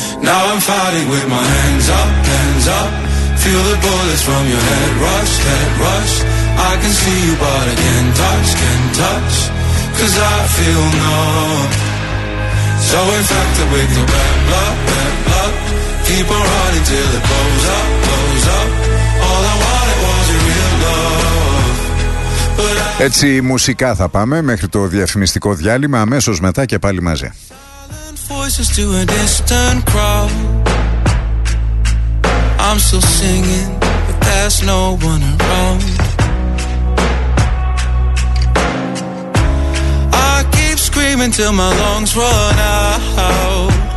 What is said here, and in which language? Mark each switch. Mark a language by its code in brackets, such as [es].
[en] Now I'm fighting with my hands up, feel the bullets from your head rush, I can see you but I can't touch, cause I feel numb, so infected with your bad blood, keep on running till it blows up, all I wanted was your real love. But I... [el] Έτσι μουσικά θα πάμε μέχρι το διαφημιστικό διάλειμμα, αμέσως μετά και πάλι μαζί. [en] Voices to a distant crowd. I'm still singing, but there's no one around. I keep screaming till my lungs run out.